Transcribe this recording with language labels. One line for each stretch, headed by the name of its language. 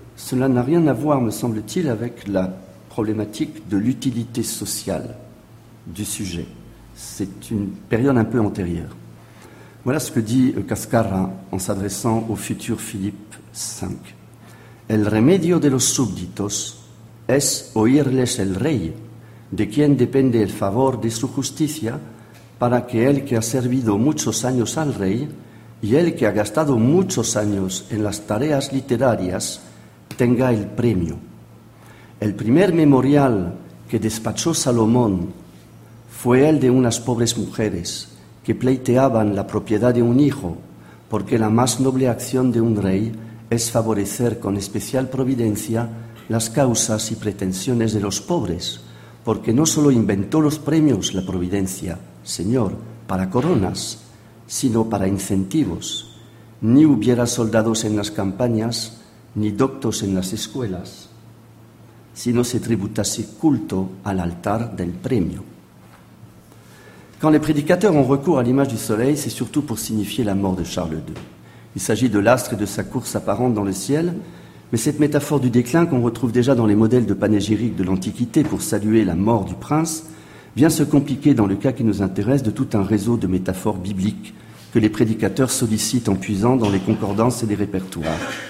French: Cela n'a rien à voir, me semble-t-il, avec la problématique de l'utilité sociale du sujet. C'est une période un peu antérieure. Voilà ce que dit Cascara en s'adressant au futur Philippe V.
Spanish: « El remedio de los súbditos es oírles el rey, de quien depende el favor de su justicia, para que el que ha servido muchos años al rey y el que ha gastado muchos años en las tareas literarias tenga el premio. El primer memorial que despachó Salomón fue el de unas pobres mujeres que pleiteaban la propiedad de un hijo, porque la más noble acción de un rey es favorecer con especial providencia las causas y pretensiones de los pobres, porque no sólo inventó los premios la providencia, señor, para coronas, sino para incentivos. Ni hubiera soldados en las campañas, ni doctos en las escuelas, si no se tributase culto al altar del premio.
French: Quand les prédicateurs ont recours à l'image du soleil, c'est surtout pour signifier la mort de Charles II. Il s'agit de l'astre et de sa course apparente dans le ciel, mais cette métaphore du déclin qu'on retrouve déjà dans les modèles de panégyrique de l'Antiquité pour saluer la mort du prince vient se compliquer dans le cas qui nous intéresse de tout un réseau de métaphores bibliques que les prédicateurs sollicitent en puisant dans les concordances et les répertoires.